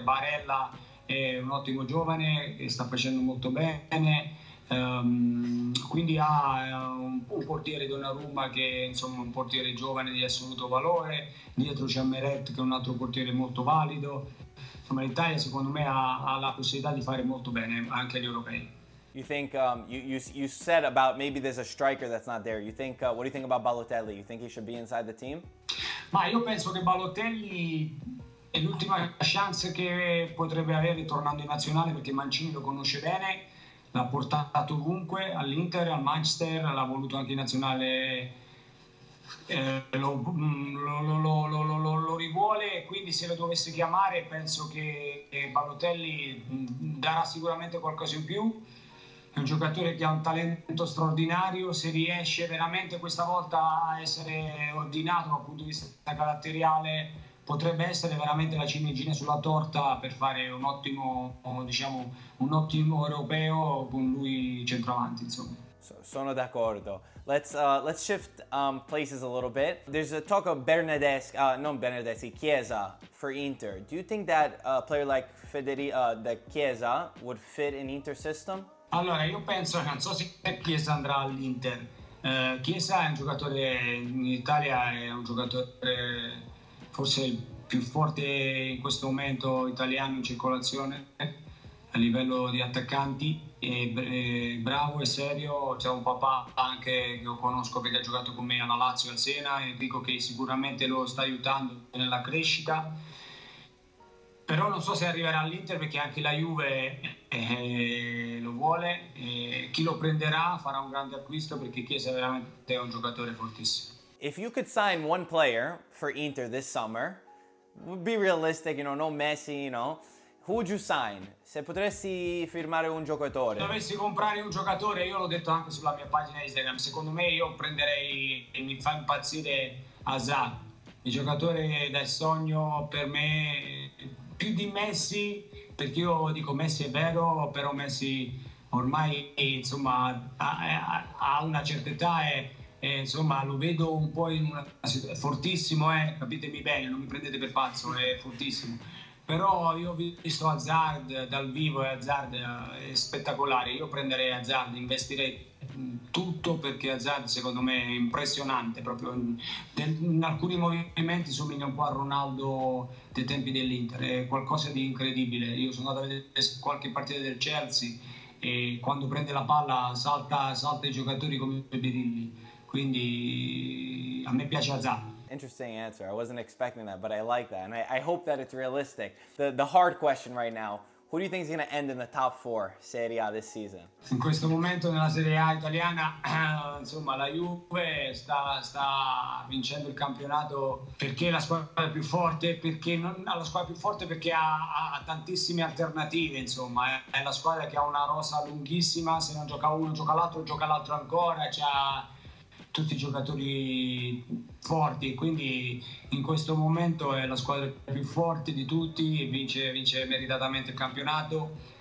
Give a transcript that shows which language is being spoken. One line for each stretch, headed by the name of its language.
Italian: Barella è un ottimo giovane e sta facendo molto bene, quindi ha un portiere Donnarumma che è, insomma, un portiere giovane di assoluto valore, dietro c'è Meret che è un altro portiere molto valido. Insomma, l'Italia secondo me ha la possibilità di fare molto bene anche agli europei.
English: You think you said about maybe there's a striker that's not there. You think what do you think about Balotelli? You think he should be inside the team?
Italian: Ma io penso che Balotelli è l'ultima chance che potrebbe avere tornando in nazionale, perché Mancini lo conosce bene, l'ha portato ovunque, all'Inter, al Manchester, l'ha voluto anche in nazionale. Lo rivuole, quindi se lo dovesse chiamare penso che Balotelli darà sicuramente qualcosa in più. È un giocatore che ha un talento straordinario. Se riesce veramente questa volta a essere ordinato dal punto di vista caratteriale, potrebbe essere veramente la ciliegina sulla torta per fare un ottimo, diciamo, un ottimo europeo con lui centravanti, insomma. Sono d'accordo.
English: Let's shift places a little bit. There's a talk of non Bernadeschi, Chiesa for Inter. Do you think that a player like the Chiesa would fit in Inter system?
Italian: Allora, io penso, non so se Chiesa andrà all'Inter. Chiesa è un giocatore, in Italia è un giocatore forse il più forte in questo momento italiano in circolazione a livello di attaccanti, è bravo, è serio, c'è un papà anche che lo conosco perché ha giocato con me alla Lazio, al Siena, e dico che sicuramente lo sta aiutando nella crescita. Però non so se arriverà all'Inter perché anche la Juve lo vuole. Chi lo prenderà farà un grande acquisto perché Chiesa veramente è un giocatore fortissimo.
English: If you could sign one player for Inter this summer, be realistic, you know, no Messi, you know, who would you sign?
Italian: Se potresti firmare un giocatore. Dovessi comprare un giocatore, io l'ho detto anche sulla mia pagina Instagram, secondo me io prenderei e mi fa impazzire Hazard, il giocatore del sogno per me, più di Messi, perché io dico Messi è vero, però Messi ormai insomma, ha una certa età e insomma lo vedo un po' in una situazione fortissimo, capitemi bene, non mi prendete per pazzo, è fortissimo. Però io ho visto Hazard dal vivo, e Hazard è spettacolare. Io prenderei Hazard, investirei tutto perché Hazard secondo me è impressionante. Proprio in alcuni movimenti somiglia un po' a Ronaldo dei tempi dell'Inter, è qualcosa di incredibile. Io sono andato a vedere qualche partita del Chelsea e quando prende la palla salta i giocatori come birilli. Quindi a me piace Hazard.
English: Interesting answer. I wasn't expecting that, but I like that. And I hope that it's realistic. The hard question right now, who do you think is going to end in the top four Serie A this season?
Italian: In questo momento nella Serie A italiana, insomma, la Juve sta vincendo il campionato perché è la squadra più forte, perché non, la squadra più forte perché ha tantissime alternative, insomma, è la squadra che ha una rosa lunghissima, se non gioca uno, gioca l'altro ancora, c'ha tutti i giocatori forti, quindi in questo momento è la squadra più forte di tutti e vince meritatamente il campionato.